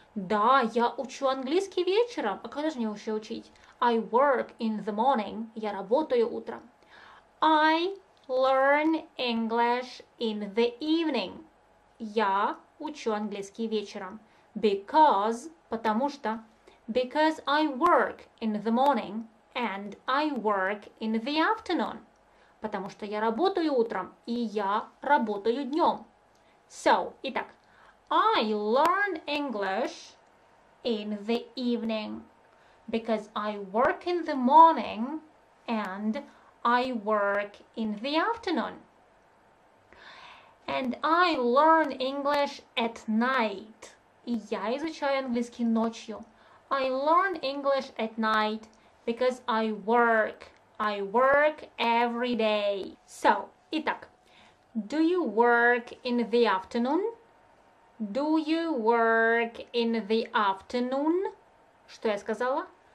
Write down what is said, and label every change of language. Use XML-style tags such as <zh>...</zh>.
<ru>Да, я учу английский вечером. А когда же мне вообще учить?</ru> <en>I work in the morning.</en> <ru>Я работаю утром.</ru> <en>I learn English in the evening.</en> <ru>Я учу английский вечером. Because, потому что.</ru> <en>Because I work in the morning and I work in the afternoon.</en> <ru>Потому что я работаю утром и я работаю днем. So, итак.</ru> <en>I learn English in the evening because I work in the morning and I work in the afternoon. And I learn English at night.</en> <ru>И я изучаю английский ночью.</ru> <en>I learn English at night because I work every day. So, итак, do you work in the afternoon? Do you work in the afternoon?</en> <ru>Что я сказала?</ru>